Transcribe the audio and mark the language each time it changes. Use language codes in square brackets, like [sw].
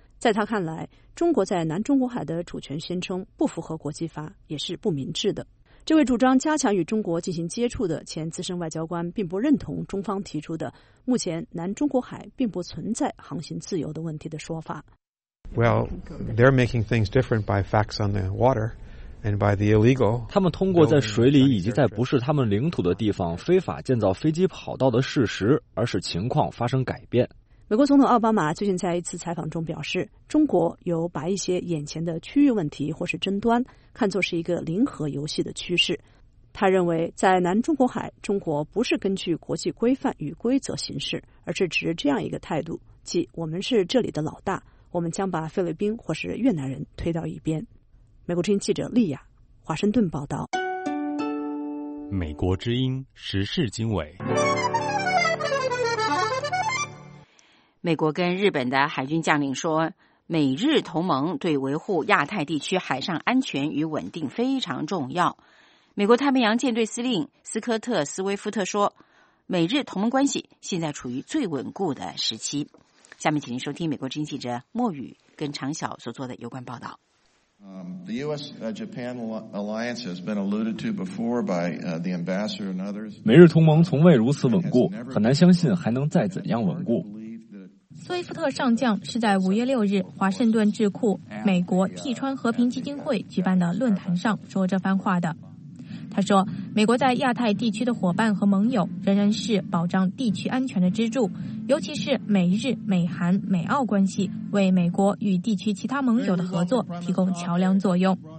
[zh] 在他看来，中国在南中国海的主权宣称不符合国际法，也是不明智的。这位主张加强与中国进行接触的前资深外交官并不认同中方提出的目前南中国海并不存在航行自由的问题的说法。 [en] Well, they're making things different by facts on the water and by the illegal. [zh] 他们通过在水里以及在不是他们领土的地方非法建造飞机跑道的事实，而使情况发生改变。美国总统奥巴马最近在一次采访中表示，中国有把一些眼前的区域问题或是争端看作是一个零和游戏的趋势。他认为在南中国海，中国不是根据国际规范与规则行事，而是持这样一个态度，即我们是这里的老大，我们将把菲律宾或是越南人推到一边。美国之音记者利亚，华盛顿报道。美国之音时事经纬。美国跟日本的海军将领说，美日同盟对维护亚太地区海上安全与稳定非常重要。美国太平洋舰队司令斯科特·斯威夫特说，美日同盟关系现在处于最稳固的时期。下面请您收听美国之音记者莫宇跟常晓所做的有关报道。 [en] The U.S. Japan alliance has been alluded to before by the ambassador and others. [zh] 美日同盟从未如此稳固，很难相信还能再怎样稳固。斯威夫特上将是在5月6日华盛顿智库美国替川和平基金会举办的论坛上说这番话的。他说，美国在亚太地区的伙伴和盟友仍然是保障地区安全的支柱，尤其是美日、美韩、美澳关系为美国与地区其他盟友的合作提供桥梁作用。